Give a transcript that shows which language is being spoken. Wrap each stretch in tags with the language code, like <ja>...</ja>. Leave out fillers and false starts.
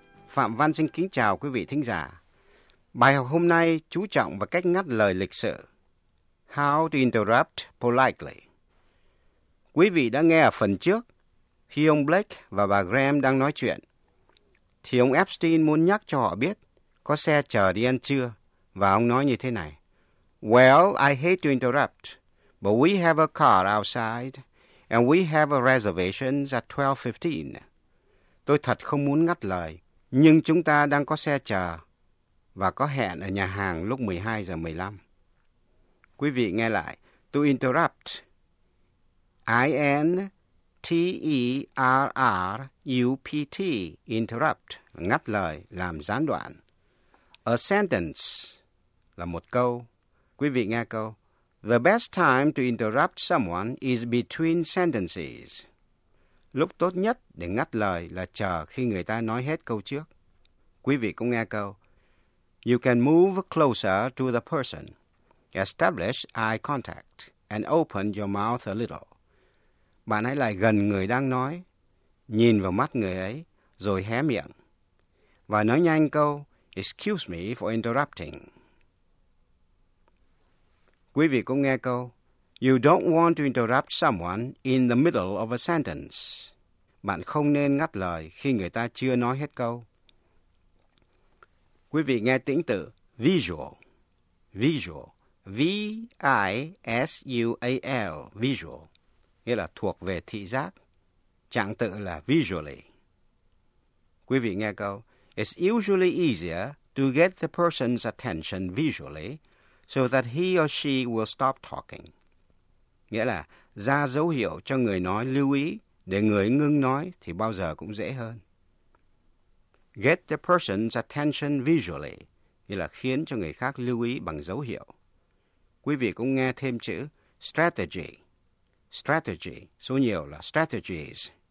<vi>Phạm Văn xin kính chào quý vị thính giả. Bài học hôm nay chú trọng vào cách ngắt lời lịch sự.</vi> <en>How to interrupt politely.</en> <vi>Quý vị đã nghe ở phần trước, khi ông Blake và bà Graham đang nói chuyện, thì ông Epstein muốn nhắc cho họ biết có xe chờ đi ăn trưa, và ông nói như thế này.</vi> <en>Well, I hate to interrupt, but we have a car outside, and we have a reservation at 12:15.</en> <vi>Tôi thật không muốn ngắt lời, nhưng chúng ta đang có xe chờ, và có hẹn ở nhà hàng lúc 12:15. Quý vị nghe lại, to interrupt, I-N-T-E-R-R-U-P-T, interrupt, ngắt lời, làm gián đoạn.</vi> <en>A sentence,</en> <vi>là một câu. Quý vị nghe câu,</vi> <en>the best time to interrupt someone is between sentences.</en> <vi>Lúc tốt nhất để ngắt lời là chờ khi người ta nói hết câu trước. Quý vị cũng nghe câu,</vi> <en>you can move closer to the person. Establish eye contact and open your mouth a little.</en> <vi>Bạn hãy lại gần người đang nói, nhìn vào mắt người ấy, rồi hé miệng. Và nói nhanh câu,</vi> <en>excuse me for interrupting.</en> <vi>Quý vị cũng nghe câu,</vi> <en>you don't want to interrupt someone in the middle of a sentence.</en> <vi>Bạn không nên ngắt lời khi người ta chưa nói hết câu. Quý vị nghe tính từ visual. Visual. V-I-S-U-A-L, visual, nghĩa là thuộc về thị giác, trạng tự là visually. Quý vị nghe câu,</vi> <en>it's usually easier to get the person's attention visually so that he or she will stop talking.</en> <vi>Nghĩa là ra dấu hiệu cho người nói lưu ý để người ngưng nói thì bao giờ cũng dễ hơn.</vi> <en>Get the person's attention visually,</en> <vi>nghĩa là khiến cho người khác lưu ý bằng dấu hiệu. Quý vị cũng nghe thêm chữ strategy. Strategy, số nhiều là strategies.</vi>